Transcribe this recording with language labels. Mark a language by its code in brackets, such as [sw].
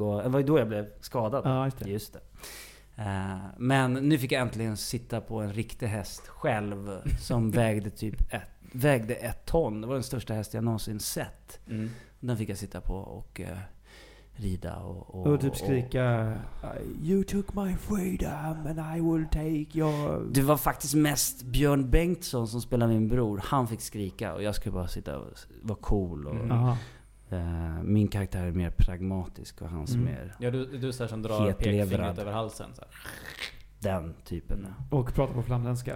[sv] Och, det var ju då jag blev skadad. Ja, just det. Just det. Men nu fick jag äntligen sitta på en riktig häst själv som vägde typ ett ton. Det var den största häst jag någonsin sett. Mm. Den fick jag sitta på och rida. Och typ skrika och, [en] you took my freedom and I will take your... [sv] Det var faktiskt mest Björn Bengtsson som spelade min bror. Han fick skrika och jag skulle bara sitta och vara cool. Och, min karaktär är mer pragmatisk och hans mer. Ja, du är så här som drar pekfingret över halsen så här. Den typen. Och pratar på flamländska.